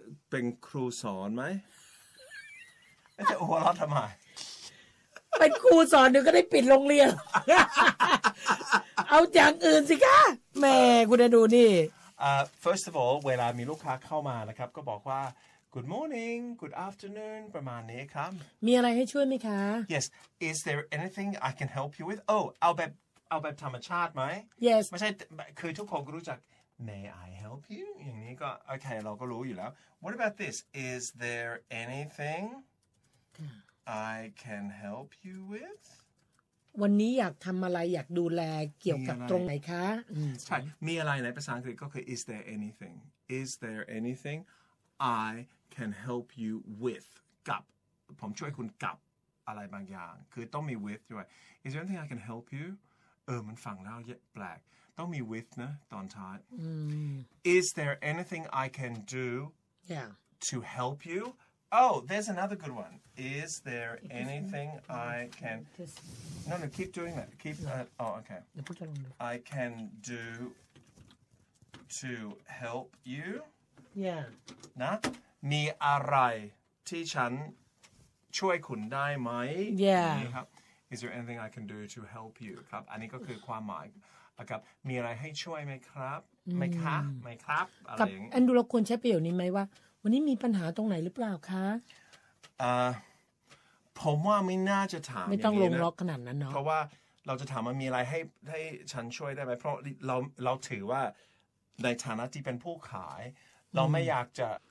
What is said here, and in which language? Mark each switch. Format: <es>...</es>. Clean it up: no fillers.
<th>เป็นครูสอนไหมจะหัวเราะทำไม เป็นครูสอนเดี๋ยวก็ได้ปิดโรงเรียนเอาอย่างอื่นสิคะแม่คุณดูนี่</th> <en>first of all</en> <th>เวลามีลูกค้าเข้ามานะครับก็บอกว่า</th> <en>Good morning, good afternoon,</en> <th>ประมาณนี้ครับ มีอะไรให้ช่วยไหมคะ</th> <en>Yes, is there anything I can help you with?</en> <th>Oh, เอาแบบธรรมชาติไหม</th> <en>Yes</en> <th>ไม่ใช่คือทุกคนก็รู้จัก</th> <en>May I help you?</en> <th>อย่างนี้ก็โอเคเราก็รู้อยู่แล้ว</th> <en>What about this? Is there anything I can help you with?</en> <th>วันนี้อยากทำอะไรอยากดูแลเกี่ยวกับตรงไหนคะ ใช่มีอะไรในภาษาอังกฤษก็คือ</th> <en>Is there anything? Is there anythingI can help you with</en> <th>กับผมช่วยคุณกับอะไรบางอย่างคือต้องมี</th> <en>with ด้วย Is there anything I can help you</en> <th>มันฟังแล้วแปลกต้องมี</th> <en>with</en> <th>นะตอนท้าย</th> <en>Is there anything I can do to help you Oh there's another good one Is there anything I can no keep doing that keep that okay I can do to help you Yeah.</en> <th>นะมีอะไรที่ฉันช่วยคุณได้ไหม</th> <en>Yeah. ครับ Is there anything I can do to help you?</en> <th>ครับอันนี้ก็คือความหมายครับมีอะไรให้ช่วยไหมครับไหมคะไหมครับอะไรอย่าง นี้อันดูเราควรใช้ประโยคนี้ไหมว่าวันนี้มีปัญหาตรงไหนหรือเปล่าคะ ผมว่าไม่น่าจะถาม ไม่ต้องลงล็อกขนาดนั้นเน า ะ เพราะว่าเราจะถามว่ามีอะไรให้ฉันช่วยได้ไหมเพราะเราถือว่าในฐานะที่เป็นผู้ขายเราไม่อยากจะ</th>